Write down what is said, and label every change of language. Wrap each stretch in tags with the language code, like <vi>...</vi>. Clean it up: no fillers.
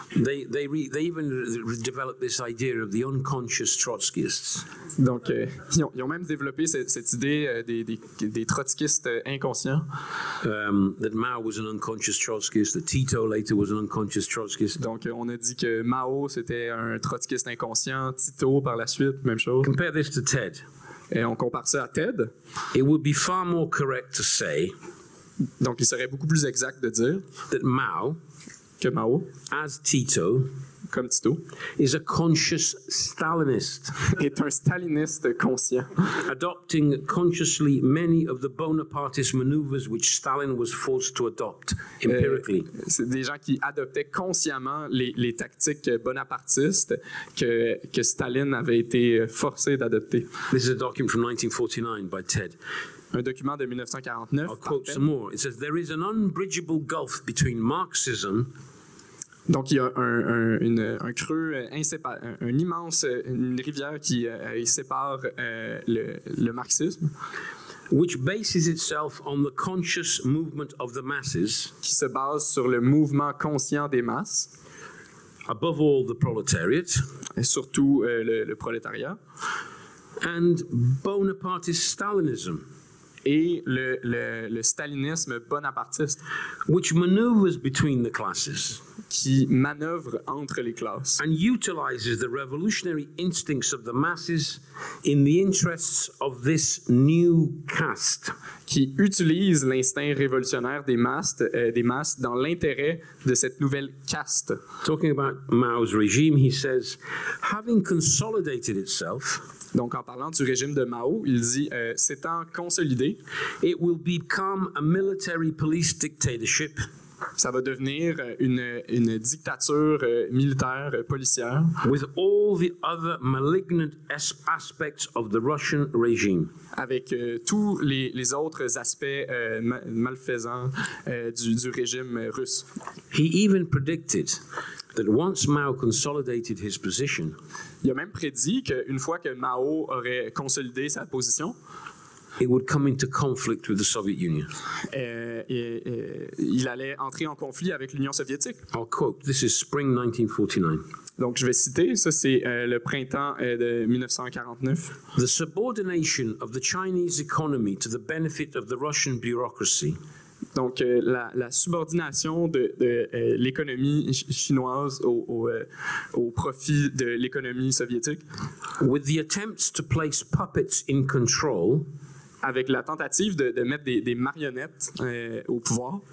<en>They even developed this idea of the unconscious Trotskyists.</en> <fr>Donc, ils ont même développé cette idée des Trotskyistes inconscients.</fr> <en>That Mao was an unconscious Trotskyist, that Tito later was an unconscious Trotskyist.</en> <fr>Donc, on a dit que Mao, c'était un Trotskyiste inconscient, Tito, par la suite, même chose.</fr> <en>Compare this to Ted.</en> <fr>Et on compare ça à Ted.</fr> <en>It would be far more correct to say,</en> <fr>donc, il serait beaucoup plus exact de dire</fr> <en>that Mao,</en> <fr>que Mao,</fr> <en>as Tito,</en> <fr>comme Tito,</fr> <en>is a conscious Stalinist.</en> <fr>Est un Staliniste conscient.</fr> <en>Adopting consciously many of the Bonapartist maneuvers which Stalin was forced to adopt empirically.</en> <fr>C'est des gens qui adoptaient consciemment les tactiques bonapartistes que Staline avait été forcé d'adopter.</fr> <en>This is a document from 1949 by Ted.</en> <fr>Un document de 1949.</fr> <en>I'll quote some more. It says there is an unbridgeable gulf between Marxism.</en> <fr>Donc il y a un creux inséparable, une immense rivière qui sépare le marxisme.</fr> <en>Which bases itself on the conscious movement of the masses.</en> <fr>Qui se base sur le mouvement conscient des masses.</fr> <en>Above all the proletariat.</en> <fr>Et surtout le prolétariat.</fr> <en>And Bonapartist Stalinism.</en> <fr>Et le stalinisme bonapartiste,</fr> <en>which maneuvers between the classes,</en> <fr>qui manœuvre entre les classes,</fr> <en>and utilizes the revolutionary instincts of the masses in the interests of this new caste,</en> <fr>qui utilise l'instinct révolutionnaire des masses dans l'intérêt de cette nouvelle caste.</fr> <en>Talking about Mao's regime, he says, having consolidated itself.</en> <fr>Donc, en parlant du régime de Mao, il dit, s'étant consolidé,</fr> <en>it will become a military police dictatorship.</en> <fr>Ça va devenir une dictature militaire policière.</fr> <en>With all the other malignant aspects of the Russian regime.</en> <fr>Avec tous les autres aspects malfaisants du régime russe.</fr> <en>He even predicted that once Mao consolidated his position,</en> <fr>il a même prédit qu'une fois que Mao aurait consolidé sa position,</fr> <en>it would come into conflict with the Soviet Union.</en> <fr>Il allait entrer en conflit avec l'Union soviétique.</fr> <en>I'll quote, this is spring 1949.</en> <fr>Donc je vais citer, ça c'est le printemps de 1949.</fr> <en>The subordination of the Chinese economy to the benefit of the Russian bureaucracy.</en> <fr>Donc, la subordination de l'économie chinoise au profit de l'économie soviétique.</fr> <en>With the attempts to place puppets in control.</en> <fr>Avec la tentative de mettre des marionnettes au pouvoir.</fr>